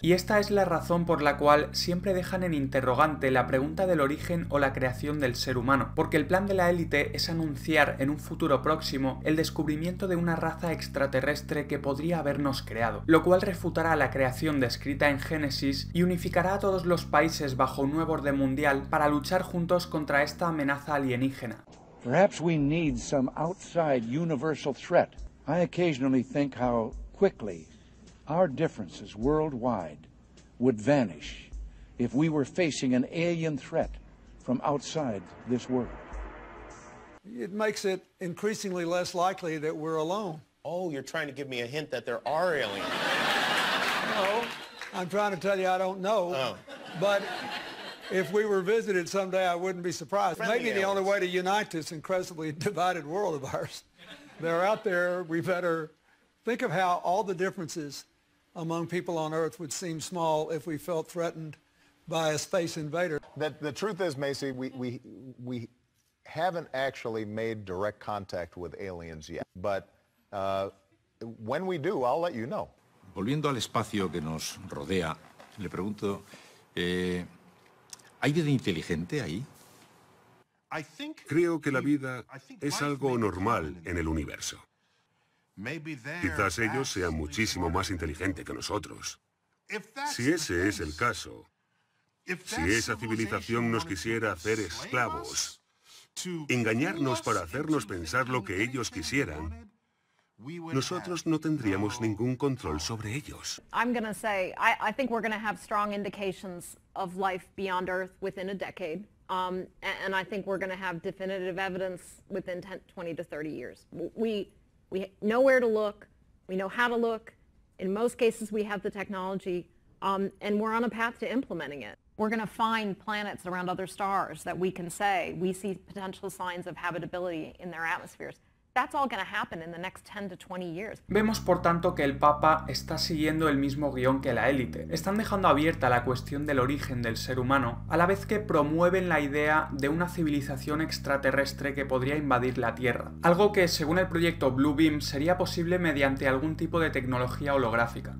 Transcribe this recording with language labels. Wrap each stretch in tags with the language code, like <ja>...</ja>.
<es>Y esta es la razón por la cual siempre dejan en interrogante la pregunta del origen o la creación del ser humano, porque el plan de la élite es anunciar en un futuro próximo el descubrimiento de una raza extraterrestre que podría habernos creado, lo cual refutará la creación descrita en Génesis y unificará a todos los países bajo un nuevo orden mundial para luchar juntos contra esta amenaza alienígena.</es> <en>Perhaps we need some outside universal threat. I occasionally think how quickly our differences worldwide would vanish if we were facing an alien threat from outside this world. It makes it increasingly less likely that we're alone. Oh, you're trying to give me a hint that there are aliens. No, I'm trying to tell you I don't know. Oh. But if we were visited someday, I wouldn't be surprised. Friendly Maybe aliens. The only way to unite this incredibly divided world of ours. They're out there, we better think of how all the differences among people on Earth would seem small if we felt threatened by a space invader. The truth is, Macy, we haven't actually made direct contact with aliens yet, but when we do, I'll let you know.</en> <es>Volviendo al espacio que nos rodea, le pregunto, ¿hay vida inteligente ahí? Creo que la vida es algo normal en el universo. Quizás ellos sean muchísimo más inteligentes que nosotros. Si ese es el caso, si esa civilización nos quisiera hacer esclavos, engañarnos para hacernos pensar lo que ellos quisieran, nosotros no tendríamos ningún control sobre ellos.</es> <en>I'm going to say, I think we're going to have strong indications of life beyond Earth within a decade. And I think we're going to have definitive evidence within 20 to 30 years. We know where to look. We know how to look. In most cases, we have the technology. And we're on a path to implementing it. We're going to find planets around other stars that we can say we see potential signs of habitability in their atmospheres. That's all going to happen in the next 10 to 20 years.</en> <es>Vemos, por tanto, que el Papa está siguiendo el mismo guión que la élite. Están dejando abierta la cuestión del origen del ser humano, a la vez que promueven la idea de una civilización extraterrestre que podría invadir la Tierra. Algo que, según el proyecto Blue Beam, sería posible mediante algún tipo de tecnología holográfica.</es>